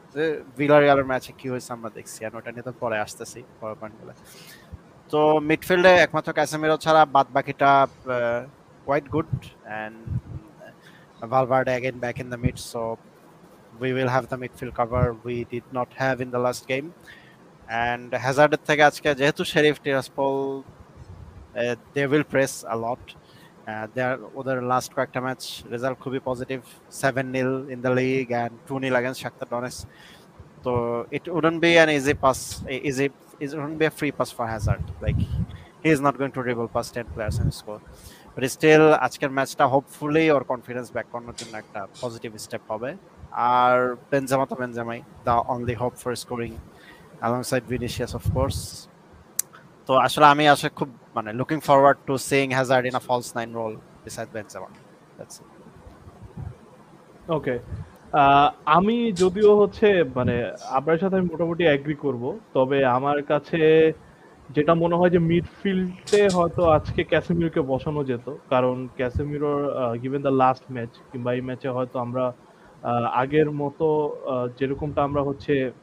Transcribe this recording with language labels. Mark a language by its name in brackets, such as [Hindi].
[Bangla] যে ভিলারিয়ালের ম্যাচে কি হয়েছে আমরা দেখছি, আর ওটা নিয়ে তো পরে আসতেছি পরের পয়েন্টগুলো। তো মিডফিল্ডে একমাত্র ক্যাসেমিরো ছাড়া বাদ বাকিটা [English] Quite good, and Valverde again back in the mid, so we will have the midfield cover we did not have in the last game. And [Bangla] হ্যাজার্ডের থেকে আজকে যেহেতু [English] Sheriff Tiraspol they will press a lot, their last quarter match result could be positive, 7-0 in the league and 2-0 against Shakhtar Donetsk, so it wouldn't be an easy pass, it wouldn't be a free pass for Hazard, like he is not going to dribble past 10 players and score, but still [Bangla] ajker match ta [English] hopefully or confidence back on to [Bangla] ekta positive step hobe, ar Benzema to Benzema [English] the only hope for scoring alongside Vinicius of course. [Bangla] তো আসলে আমি আসলে খুব মানে [English] Looking forward to seeing Hazard in a false nine role beside Benzema. That's it. [Bangla] ওকে, আমি যদিও হচ্ছে মানে আপনার সাথে আমি মোটামুটি এগ্রি করব, তবে আমার কাছে যেটা মনে হয় যে মিডফিল্ডে হয়তো আজকে ক্যাসেমিরোকে বসানো যেত, কারণ ক্যাসেমিরোর [English] given the last match [Bangla] কিংবা এই ম্যাচে হয়তো আমরা আগের মতো যেরকমটা আমরা হচ্ছে